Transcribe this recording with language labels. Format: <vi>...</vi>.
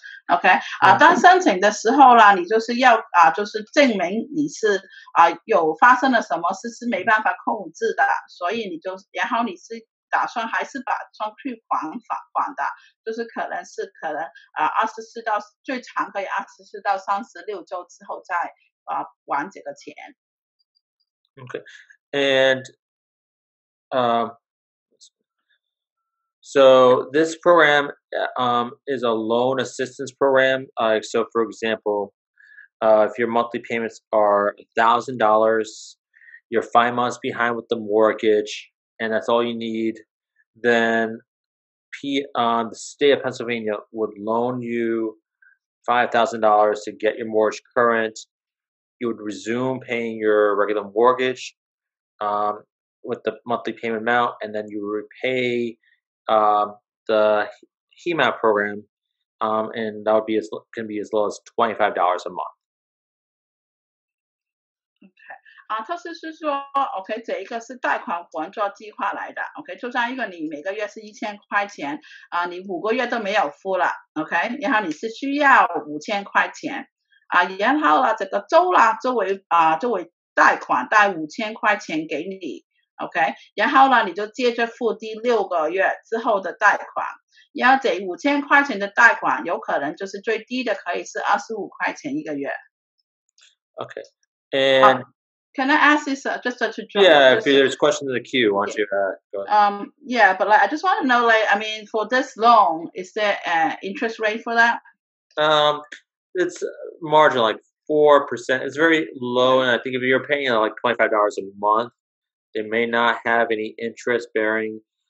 <zh>OK, 当申请的时候啦，你就是要就是证明你是有发生了什么事是没办法控制的，所以你就然后你是打算还是把算去还的，就是可能24到最长可以24到36周之后再还这个钱。</zh> <en>OK, and So this program is a loan assistance program. So for example, if your monthly payments are $1,000, you're 5 months behind with the mortgage, and that's all you need, then the state of Pennsylvania would loan you $5,000 to get your mortgage current. You would resume paying your regular mortgage with the monthly payment amount, and then you repay the HEMAP program, and that would be can be as low as $25 a month.</en> <zh>Okay, 他是说 ，OK， 这一个是贷款还债计划来的 ，OK， 就像一个你每个月是1000块钱，你五个月都没有付了 ，OK， 然后你是需要5000块钱，然后这个周啦作为贷款贷5000块钱给你。 OK, 然后呢你就接着付第六个月之后的贷款，然后这五千块钱的贷款有可能就是最低的可以是25块钱一个月。</zh> <en>OK, and... Can I ask this just to jump? Yeah, if there's questions in the queue, why don't you go ahead? Yeah, but I just want to know, for this loan, is there an interest rate for that? It's marginal, like 4%. It's very low, and I think if you're paying like $25 a month,they may not have any interest bearing.</en>